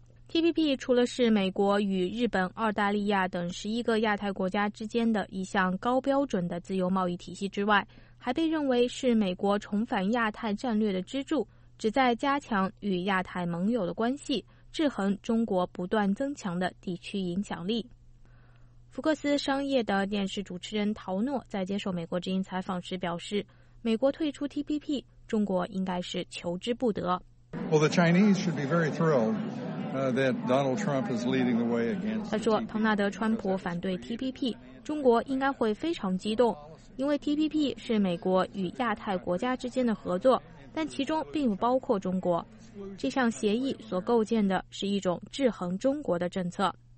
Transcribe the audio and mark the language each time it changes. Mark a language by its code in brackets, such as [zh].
[zh] TPP 除了是美国与日本、澳大利亚等11个亚太国家之间的一项高标准的自由贸易体系之外，还被认为是美国重返亚太战略的支柱，旨在加强与亚太盟友的关系，制衡中国不断增强的地区影响力。福克斯商业的电视主持人陶诺在接受美国之音采访时表示，美国退出 TPP， 中国应该是求之不得。 [en] Well, the Chinese should be very thrilled that Donald Trump is leading the way against. [zh] 他说，唐纳德·川普反对 TPP， 中国应该会非常激动，因为 TPP 是美国与亚太国家之间的合作，但其中并不包括中国。这项协议所构建的是一种制衡中国的政策。